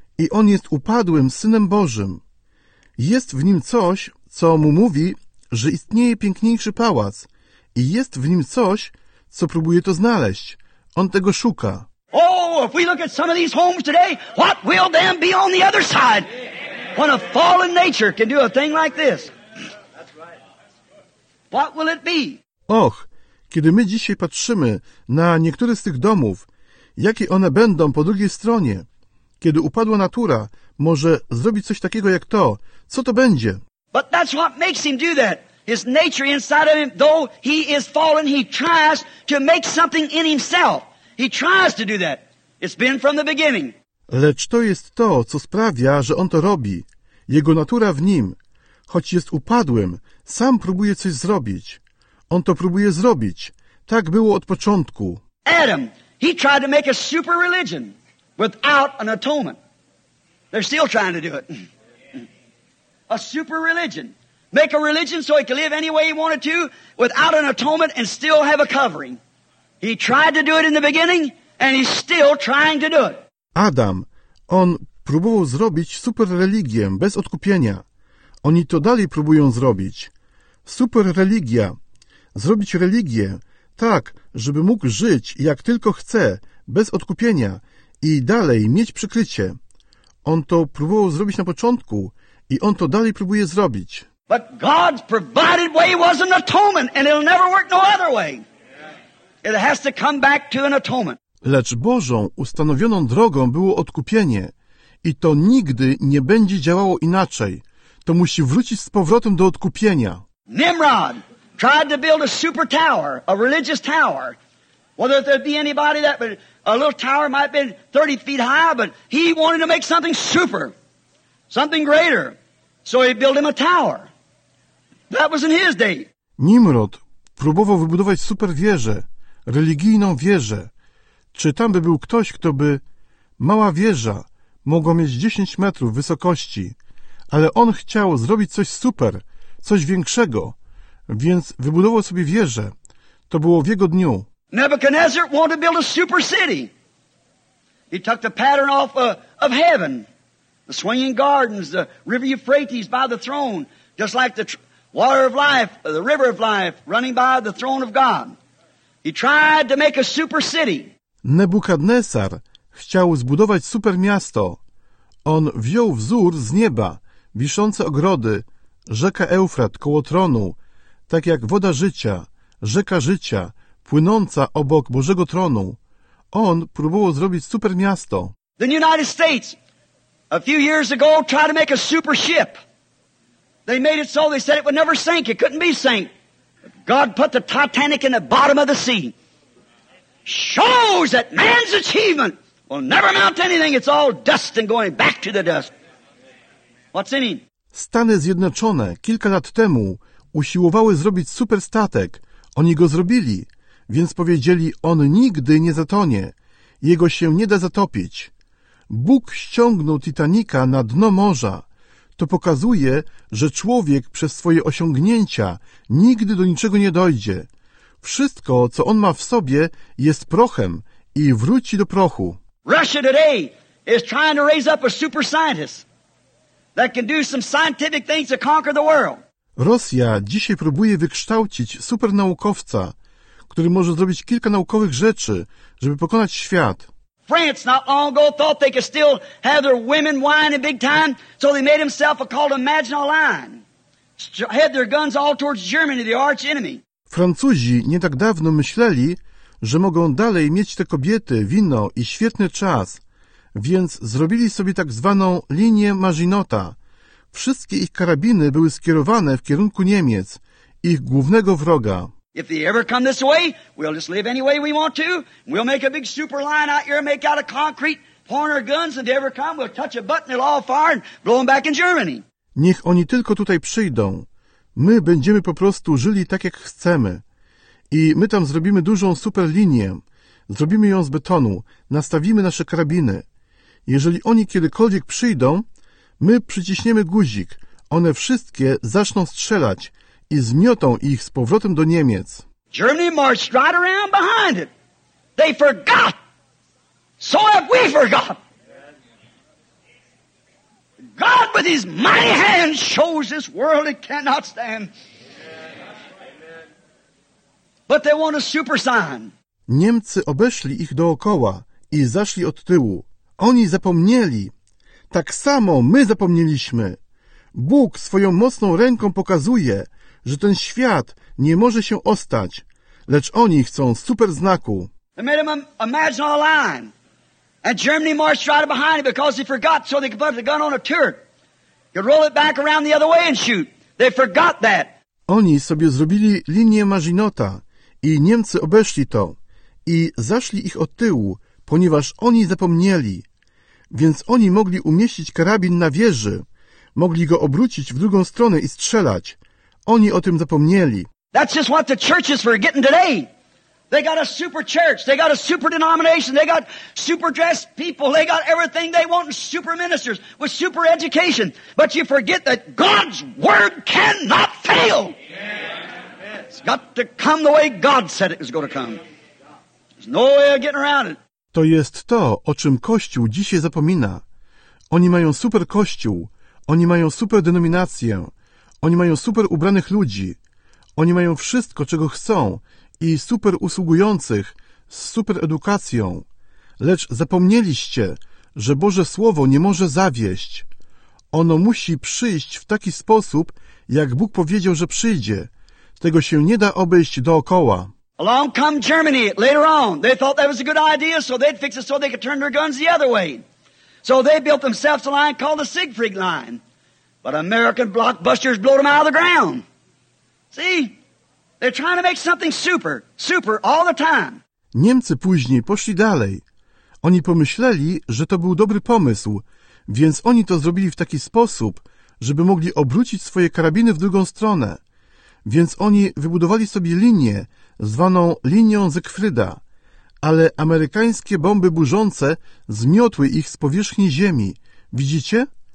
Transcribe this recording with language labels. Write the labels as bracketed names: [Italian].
[Polish] On jest upadłym synem Bożym. Jest w nim coś, co mu mówi, że istnieje piękniejszy pałac. I jest w nim coś, co próbuje to znaleźć. On tego szuka. [English] Oh, if we look at some of these homes today, what will them be on the other side? When a fallen nature can do a thing like this. What will it be? [Polish] Och, kiedy my dzisiaj patrzymy na niektóre z tych domów, jakie one będą po drugiej stronie, kiedy upadła natura może zrobić coś takiego jak to, co to będzie? [English] But that's what makes him do that. His nature inside of him, though he is fallen, he tries to make something in himself. He tries to do that. It's been from the beginning. [Polish] Lecz to jest to, co sprawia, że on to robi. Jego natura w nim, choć jest upadłym, sam próbuje coś zrobić. On to próbuje zrobić. Tak było od początku. [English] Adam, he tried to make a super religion without an atonement. They're still trying to do it. A super religion. Make a religion so he could live any way he wanted to without an atonement and still have a covering. He tried to do it in the beginning and he's still trying to do it. [Polish] Adam, on próbował zrobić super religię bez odkupienia. Oni to dalej próbują zrobić. Super religia. Zrobić religię tak, żeby mógł żyć jak tylko chce, bez odkupienia i dalej mieć przykrycie. On to próbował zrobić na początku i on to dalej próbuje zrobić. [English] But God's provided way was an atonement and it'll never work no other way. It has to come back to an atonement. [Polish] Lecz Bożą ustanowioną drogą było odkupienie i to nigdy nie będzie działało inaczej. To musi wrócić z powrotem do odkupienia. [English] Nimrod tried to build a super tower, a religious tower. Whether there'd be anybody that, but a little tower might have been 30 feet high, but he wanted to make something super, something greater. So he built him a tower. That was in his day. [Polish] Nimrod próbował wybudować super wieżę, religijną wieżę. Czy tam by był ktoś, kto by... Mała wieża mogła mieć 10 metrów wysokości, ale on chciał zrobić coś super, coś większego, więc wybudował sobie wieżę. To było w jego dniu. [English] Nebuchadnezzar wanted to build a super city. He took the pattern off of heaven. The swinging gardens, the river Euphrates by the throne, just like the water of life, the river of life running by the throne of God. He tried to make a super city. [Polish] Nebukadnesar chciał zbudować super miasto. On wziął wzór z nieba, wiszące ogrody, rzeka Eufrat koło tronu, tak jak woda życia, rzeka życia, płynąca obok Bożego tronu. On próbował zrobić super miasto. [English] The United States, a few years ago, tried to make a super ship. They made it so they said it would never sink. It couldn't be sank. God put the Titanic in the bottom of the sea. Shows that man's achievement will never amount to anything. It's all dust and going back to the dust. What's in him? [Polish] Stany Zjednoczone kilka lat temu usiłowały zrobić super statek. Oni go zrobili, więc powiedzieli, on nigdy nie zatonie. Jego się nie da zatopić. Bóg ściągnął Titanika na dno morza. To pokazuje, że człowiek przez swoje osiągnięcia nigdy do niczego nie dojdzie. Wszystko, co on ma w sobie, jest prochem i wróci do prochu. [English] Russia today is trying to raise up a super scientist that can do some scientific things to conquer the world. [Polish] Rosja dzisiaj próbuje wykształcić super naukowca, który może zrobić kilka naukowych rzeczy, żeby pokonać świat. [English] France not long ago thought they could still have their women wine in big time, so they made themselves a called a Maginot Line. Had their guns all towards Germany, the arch enemy. [Polish] Francuzi nie tak dawno myśleli, że mogą dalej mieć te kobiety, wino i świetny czas, więc zrobili sobie tak zwaną linię Maginota. Wszystkie ich karabiny były skierowane w kierunku Niemiec ich głównego wroga. [English] If they ever come this way, we'll just live any way we want to. We'll make a big super line out here, make out of concrete, point our guns, and if they ever come, we'll touch a button, it'll all fire and blow them back in Germany. [Polish] Niech oni tylko tutaj przyjdą. My będziemy po prostu żyli tak, jak chcemy. I my tam zrobimy dużą super linię. Zrobimy ją z betonu. Nastawimy nasze karabiny. Jeżeli oni kiedykolwiek przyjdą, my przyciśniemy guzik. One wszystkie zaczną strzelać i zmiotą ich z powrotem do Niemiec. [English] Germany marched right around behind it. They forgot. So have we forgot. God with his mighty hand shows this world it cannot stand. But they want a super sign. [Polish] Niemcy obeszli ich dookoła i zaszli od tyłu. Oni zapomnieli. Tak samo my zapomnieliśmy. Bóg swoją mocną ręką pokazuje, że ten świat nie może się ostać, lecz oni chcą super znaku. [English] They made him imagine a line. And Germany marched right behind it because they forgot so they could put the gun on a turret. You roll it back around the other way and shoot. They forgot that. [Polish] Oni sobie zrobili linię Maginota i Niemcy obeszli to i zaszli ich od tyłu, ponieważ oni zapomnieli. Więc oni mogli umieścić karabin na wieży, mogli go obrócić w drugą stronę i strzelać. Oni o tym zapomnieli. [English] That's just what the church is for getting today. They got a super church, they got a super denomination, they got super dressed people, they got everything they want, super ministers with super education. But you forget that God's word cannot fail. It's got to come the way God said it was going to come. There's no way of getting around it. [Polish] To jest to, o czym Kościół dzisiaj zapomina. Oni mają super Kościół, oni mają super denominację, oni mają super ubranych ludzi, oni mają wszystko, czego chcą, i super usługujących z super edukacją. Lecz zapomnieliście, że Boże Słowo nie może zawieść. Ono musi przyjść w taki sposób, jak Bóg powiedział, że przyjdzie. Tego się nie da obejść dookoła. [English] Along come Germany later on. They thought that was a good idea, so they'd fix it so they could turn their guns the other way. So they built themselves a line called the Siegfried Line. But American blockbusters blowed them out of the ground. See? They're trying to make something super, super all the time. [Polish] Niemcy później poszli dalej. Oni pomyśleli, że to był dobry pomysł, więc oni to zrobili w taki sposób, żeby mogli obrócić swoje karabiny w drugą stronę. Więc oni wybudowali sobie linię, zwaną linią Siegfrieda, ale amerykańskie bomby burzące zmiotły ich z powierzchni ziemi. Widzicie?